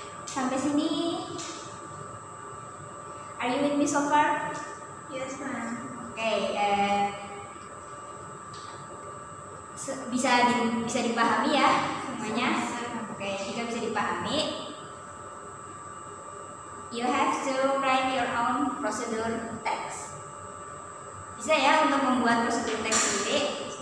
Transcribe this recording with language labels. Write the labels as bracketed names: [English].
[Indonesian] Sampai sini, [English] are you with me so far? Yes, ma'am. Okay. [Indonesian] Bisa dipahami ya semuanya. [English] Okay, [Indonesian] jika bisa dipahami, [English] you have to write your own procedure text. [Indonesian] Bisa ya untuk membuat procedure text sendiri.